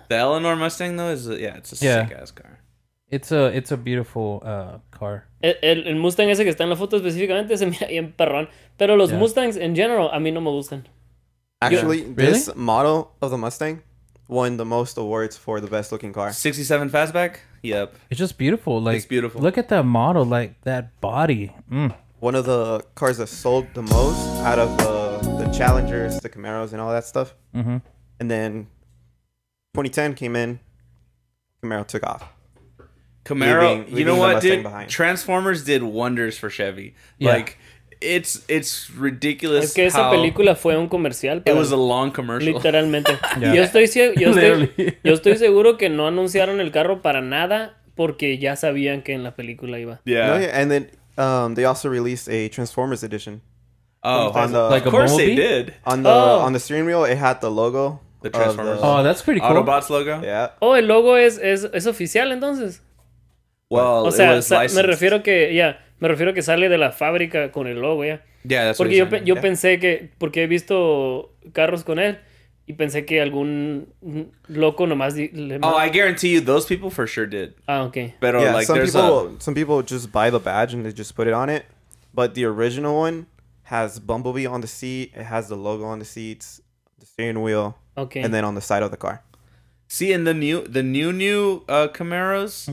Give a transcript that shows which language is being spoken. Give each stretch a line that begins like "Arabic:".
English: The Eleanor Mustang, though, is a sick-ass car. It's a beautiful car.
Spanish: El Mustang ese que está en la foto específicamente se mira bien perrón. Pero los Mustangs en general a mí no me gustan.
English: Actually, this model of the Mustang won the most awards for the best looking car. 67 Fastback? Yep. It's just beautiful. Like, it's beautiful. Look at that model, like that body. Mm. One of the cars that sold the most out of the Challengers, the Camaros and all that stuff. Mm-hmm. And then 2010 came in, Camaro took off. Camaro, leaving you know what, dude? Behind. Transformers did wonders for Chevy. Yeah. Like, it's ridiculous.
Spanish: Es que esa película fue un comercial.
English: It was a long commercial. Literalmente. Yeah.
Spanish: Yo estoy seguro que no anunciaron el carro para nada porque ya sabían que en la película iba.
English: Yeah.
Spanish: No,
English: yeah. And then they also released a Transformers edition. Oh, on the, like of course they did. On the steering wheel, it had the logo. The Transformers. Oh, that's pretty cool. Autobots logo. Yeah.
Spanish: Oh, el logo es oficial entonces.
English: Well,
Spanish: o sea,
English: it was licensed.
Spanish: Me refiero que me refiero que sale de la fábrica con el logo ya.
English: Yeah, that's
Spanish: porque
English: what
Spanish: yo yeah. pensé que porque he visto carros con él y pensé que algún loco nomás le...
English: Oh, I guarantee you those people for sure did. Ah, okay. But yeah, like some people just buy the badge and they just put it on it, but the original one has Bumblebee on the seat, it has the logo on the seats, the steering wheel. Okay. And then on the side of the car. See, in the new Camaros,